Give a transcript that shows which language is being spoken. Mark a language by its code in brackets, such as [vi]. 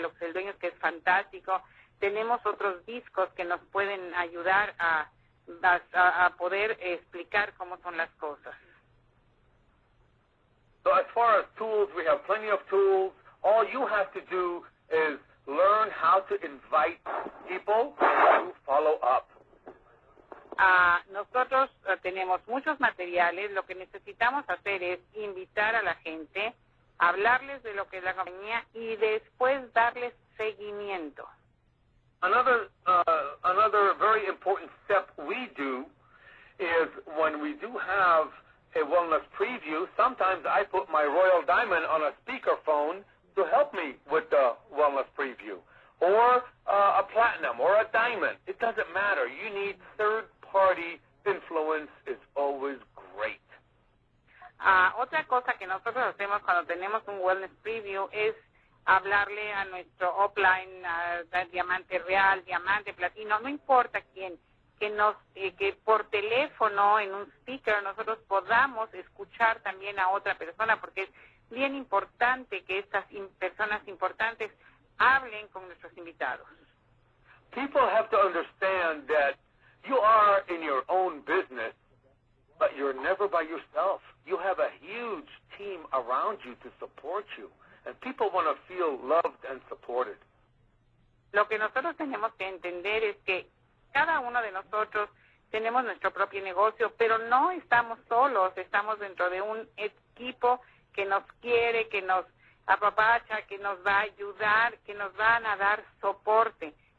[es] Lo que es el dueño, que es fantástico. Tenemos otros discos que nos pueden ayudar a poder explicar cómo son las cosas. [en] So as far as tools, we have plenty of tools. All you have to do is learn how to invite people to follow up. [es] Nosotros tenemos muchos materiales. Lo que necesitamos hacer es invitar a la gente, hablarles de lo que es la compañía y después darles seguimiento. [en] Another very important step we do is when we do have a wellness preview, sometimes I put my Royal Diamond on a speakerphone to help me with the wellness preview, or a platinum or a diamond. It doesn't matter. You need third-party influence. It's always great. [es] Otra cosa que nosotros hacemos cuando tenemos un wellness preview es hablarle a nuestro upline, diamante real, diamante, platino, no importa quién, que por teléfono, en un speaker, nosotros podamos escuchar también a otra persona, porque es bien importante que estas personas importantes hablen con nuestros invitados. [en] People have to understand that you are in your own business, but you're never by yourself. You have a huge team around you to support you. And people want to feel loved and supported. [es] Lo que nosotros tenemos que entender es que cada uno de nosotros tenemos nuestro propio negocio, pero no estamos solos. Estamos dentro de un equipo que nos quiere, que nos apapacha, que nos va a ayudar, que nos van a dar soporte.